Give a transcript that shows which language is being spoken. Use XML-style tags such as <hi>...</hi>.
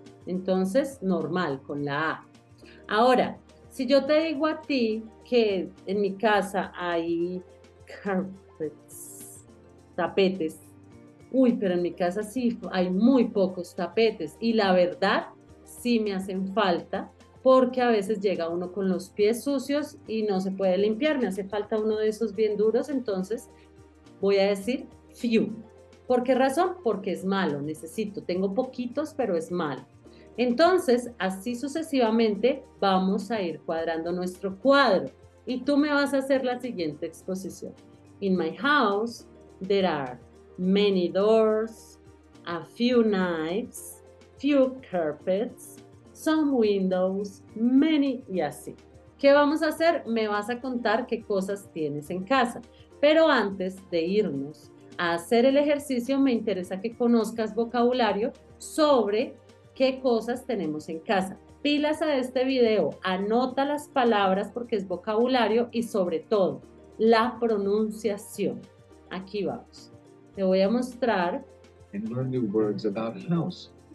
<es>Entonces, normal, con la A. Ahora, si yo te digo a ti que en mi casa hay carpets, tapetes, uy, pero en mi casa sí hay muy pocos tapetes, y la verdad, sí me hacen falta, porque a veces llega uno con los pies sucios y no se puede limpiar, me hace falta uno de esos bien duros, entonces voy a decir few. ¿Por qué razón? Porque es malo, necesito, tengo poquitos, pero es malo. Entonces, así sucesivamente, vamos a ir cuadrando nuestro cuadro. Y tú me vas a hacer la siguiente exposición.</es> <en>In my house, there are many doors, a few knives, few carpets, some windows, many,</en> <es>y así. ¿Qué vamos a hacer? Me vas a contar qué cosas tienes en casa. Pero antes de irnos a hacer el ejercicio, me interesa que conozcas vocabulario sobre qué cosas tenemos en casa. Pilas a este video, anota las palabras porque es vocabulario y sobre todo la pronunciación. Aquí vamos. Te voy a mostrar.</es> <en>And learn new words about house.</en>